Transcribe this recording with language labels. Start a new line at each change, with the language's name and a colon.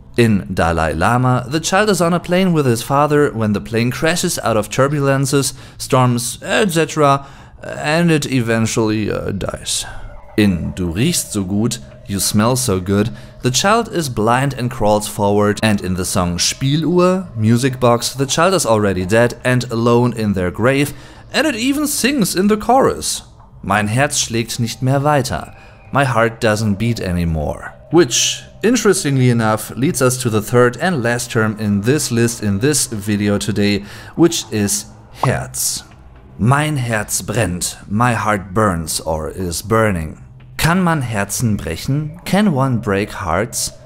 English: In Dalai Lama, the child is on a plane with his father when the plane crashes out of turbulences, storms, etc., and it eventually dies. In Du riechst so gut, you smell so good, the child is blind and crawls forward, and in the song Spieluhr, music box, the child is already dead and alone in their grave, and it even sings in the chorus.
German: Mein Herz schlägt nicht mehr weiter,
English: my heart doesn't beat anymore. Which, interestingly enough, leads us to the third and last term in this list in this video today, which is Herz.
German: Mein Herz brennt,
English: my heart burns or is burning.
German: Kann man Herzen brechen?
English: Can one break hearts?